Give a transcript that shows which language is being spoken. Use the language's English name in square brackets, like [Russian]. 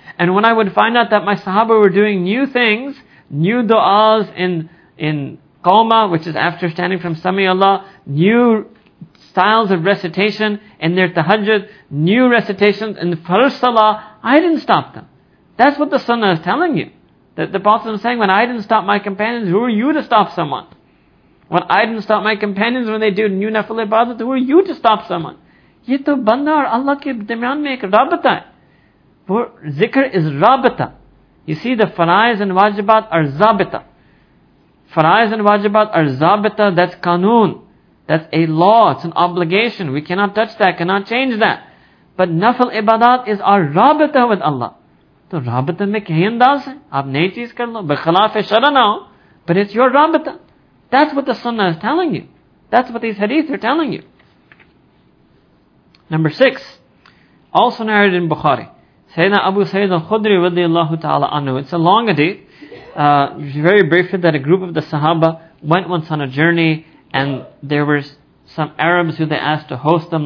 [English] And when I would find out that my Sahaba were doing new things, new du'as in Qawma, which is after standing from Sami'Allah, new styles of recitation in their Tahajjud, new recitations in the Farz Salah, I didn't stop them. That's what the Sunnah is telling you. That the Prophet is saying, when I didn't stop my companions, who are you to stop someone? When I didn't stop my companions when they do new Nafil Ibadat, who are you to stop someone? [Urdu] یہ تو بندہ اور اللہ کے درمیان میں ایک رابطہ ہے. [English] For zikr is rabita. You see, the faraiz and wajibat are zabita. Faraiz and wajibat are zabita, that's kanun. That's a law, it's an obligation. We cannot touch that, cannot change that. But nafil ibadat is our rabita with Allah. [Urdu] So رابطہ میں کئی انداز ہے? آپ نئی چیز کر لو, بخلاف شرع نہ ہو. [English] But it's your rabita. That's what the sunnah is telling you. That's what these hadith are telling you. Number 6. Also narrated in Bukhari. Sayyidina Abu Sayyid al-Khudri radiyallahu ta'ala anhu. It's a long hadith. Very briefly, that a group of the Sahaba went once on a journey and there were some Arabs who they asked to host them.